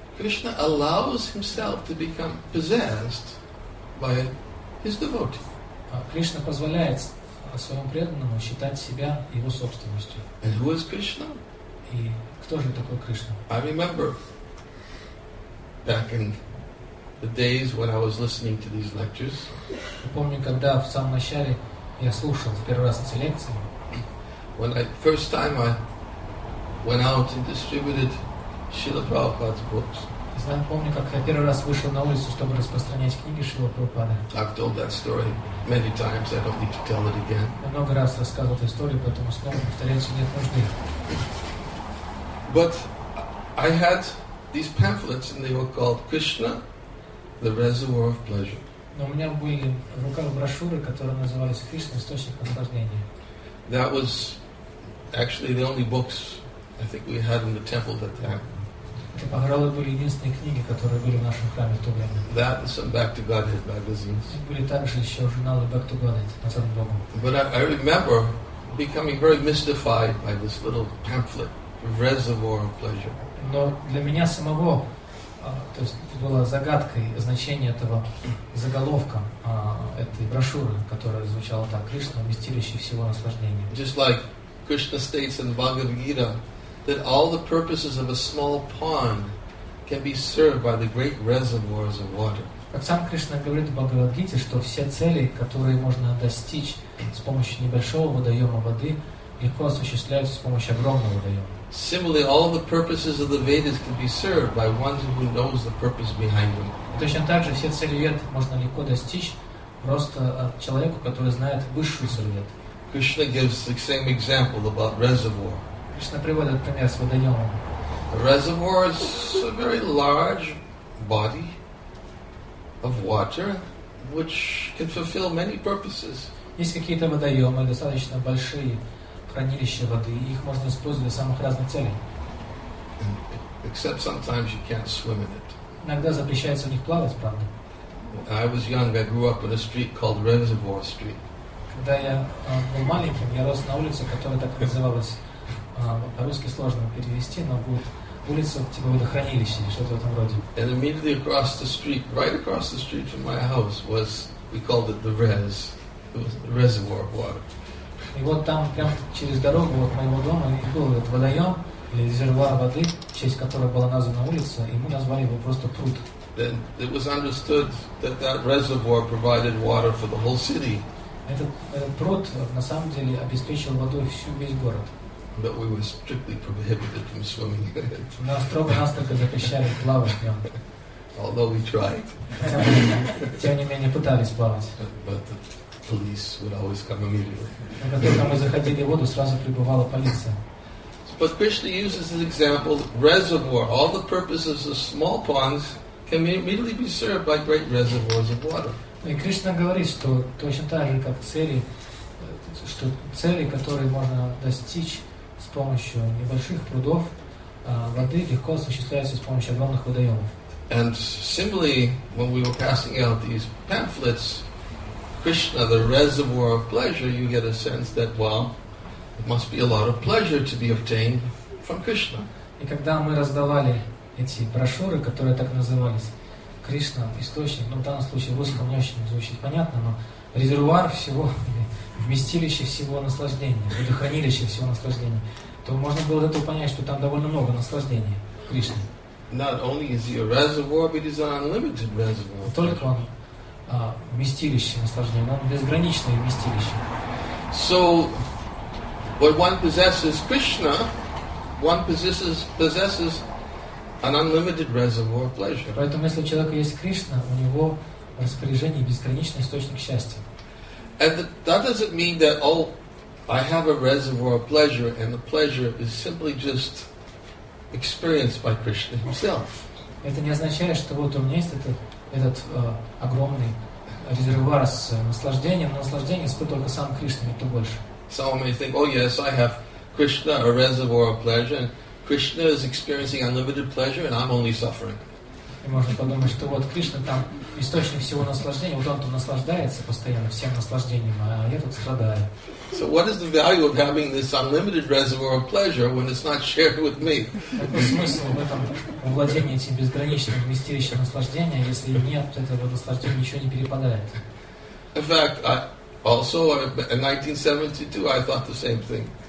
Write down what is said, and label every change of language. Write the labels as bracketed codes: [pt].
[en] Krishna allows himself to become possessed by his devotee. [ru] Кришна позволяет своему преданному считать себя его собственностью. [en] And who is Krishna? [ru] И кто же такой Кришна? [en] I remember back in the days when I was listening to these lectures. [ru] Помню, когда в самом начале я слушал в первый раз эти лекции. [en] First time I went out and distributed Srila Prabhupada's books. [ru] Знаю, помню, как я первый раз вышел на улицу, чтобы распространять книги Шрилы Прабхупады. [en] I've told that story many times. I don't need to tell it again. [ru] Много раз рассказывал эту историю, поэтому снова повторять нет нужды. [en] But I had these pamphlets, and they were called Krishna, the Reservoir of Pleasure. [ru] Но у меня были в руках брошюры, которые назывались Кришна, источник наслаждения. [en] That was actually the only books I think we had in the temple that time. [ru] Это пограло были единственные книги, которые были в нашем храме в то время. [en] That and some Back to Godhead magazines. [ru] И были также еще журналы Back to Godhead, назад к Богу. [en] But I remember becoming very mystified by this little pamphlet, Reservoir of Pleasure. [ru] Но для меня самого, то есть было загадкой значение этого заголовка этой брошюры, которая звучала так: Кришна — вместилище всего наслаждения. [en] Just like Krishna states in Bhagavad Gita that all the purposes of a small pond can be served by the great reservoirs of water. [ru] Как сам Кришна говорит в Бхагавад Гите, что все цели, которые можно достичь с помощью небольшого водоема воды, легко осуществляются с помощью огромного водоема. [en] Similarly, all the purposes of the Vedas can be served by one who knows the purpose behind them. [ru] Точно так же все цели Вед можно легко достичь просто человеку, который знает высшую цель Вед. [en] Krishna gives the same example about reservoir. [ru] Кришна приводит пример с водоемом. [en] A reservoir is a very large body of water which can fulfill many purposes. [ru] Есть какие-то водоемы, достаточно большие хранилище воды, и их можно использовать для самых разных целей. [en] Except sometimes you can't swim in it. [ru] Иногда запрещается в них плавать, правда? [en] I was young, I grew up in a street called Reservoir Street. [ru] Когда я был маленьким, я рос на улице, которая так называлась, по-русски сложно перевести, но будет улица типа водохранилища или что-то в этом роде. [en] And immediately across the street, right across the street from my house was, we called it the Res, it was the Reservoir of Water. [ru] И вот там, прямо через дорогу от моего дома, у них был этот водоем, или резервуар воды, в честь которой была названа улица, и мы назвали его просто пруд. [en] Then it was understood that that reservoir provided water for the whole city. [ru] Этот пруд на самом деле обеспечивал водой всю весь город. [en] But we were strictly prohibited from swimming in it. [ru] Нас строго-настрого запрещали плавать в нем. [en] Although we tried. [ru] Тем не менее пытались плавать. [en] But the police would always come immediately. [ru] Как только мы заходили в воду, сразу прибывала полиция. [en] But Krishna uses an example, reservoir. All the purposes of small ponds can immediately be served by great reservoirs of water. [ru] И Кришна говорит, что точно так же, как цели, что цели, которые можно достичь с помощью небольших прудов, воды легко осуществляются с помощью огромных водоемов. [en] And similarly, when we were passing out these pamphlets, Krishna, the reservoir of pleasure, you get a sense that, well, it must be a lot of pleasure to be obtained from Krishna. [ru] И когда мы раздавали эти брошюры, которые так назывались, Кришна, источник, ну в данном случае русском не очень звучит понятно, но резервуар всего, вместилище всего наслаждения, водохранилище всего наслаждения, то можно было от этого понять, что там довольно много наслаждения в Кришне. [en] Not only is he a reservoir, but he's an unlimited reservoir. [ru] Только он вместилище наслаждения, он безграничное вместилище. [en] So, when one possesses Krishna, one possesses an unlimited reservoir of pleasure. [ru] Поэтому, если у человека есть Кришна, у него в распоряжении бесконечный источник счастья. [en] And that doesn't mean that, oh, I have a reservoir of pleasure, and the pleasure is simply just experienced by Krishna himself. [ru] Это не означает, что вот у меня есть этот огромный резервуар с наслаждением, но наслаждение испытывает только сам Кришна, это больше. [en] Some may think, oh yes, I have Krishna, a reservoir of pleasure, and Krishna is experiencing unlimited pleasure, and I'm only suffering. [ru] И можно подумать, что вот Кришна там источник всего наслаждения, вот он там наслаждается постоянно всем наслаждением, а я тут страдаю. [en] So what is the value of having this unlimited reservoir of pleasure when it's not shared with me? [ru] Какой смысл в этом владении этим безграничным вместилищем наслаждения, если нет этого наслаждения, ничего не перепадает? [en] In fact, in 1972, I thought the same thing.